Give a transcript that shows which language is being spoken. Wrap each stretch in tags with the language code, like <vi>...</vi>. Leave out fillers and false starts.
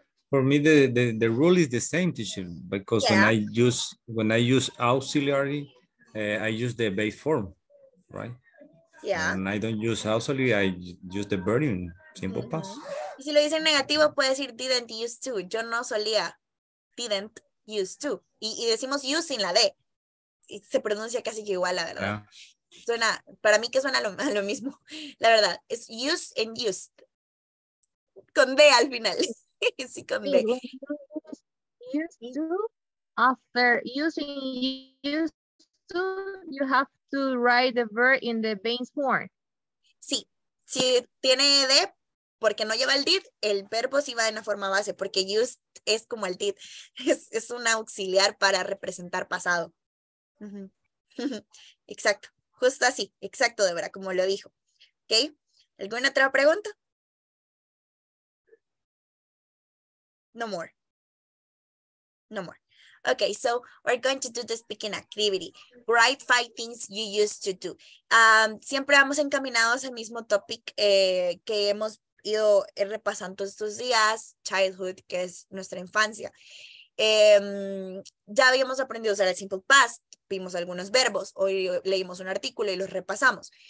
<en>For me, the rule is the same, teacher, because when I use auxiliary, I use the base form, right? Yeah. And I don't use auxiliary, I use the verb in simple past.</en> <es>Y si lo dice en negativo, puede decir</es> <en>didn't use to.</en> <es>Yo no solía.</es> <en>Didn't use to.</en> <es>Y decimos use sin la D. Y se pronuncia casi que igual, la verdad. Yeah. Suena, para mí que suena lo mismo. La verdad, es use and used. Con D al final. Sí, con D.</es> <en>Used to, after using used to, you have to write the verb in the base form.</en> <es>Sí. Si tiene D, porque no lleva el did, el verbo sí va en la forma base, porque used es como el did. Es un auxiliar para representar pasado. Exacto. Justo así. Exacto, Deborah, como lo dijo. ¿Ok? ¿Alguna otra pregunta?</es> <en>No more. No more. Okay, so we're going to do the speaking activity. Write 5 things you used to do.</en> <es>Siempre vamos encaminados al mismo topic que hemos ido repasando estos días, childhood, que es nuestra infancia. Ya habíamos aprendido a usar el simple past, vimos algunos verbos, hoy leímos un artículo y los repasamos.</es>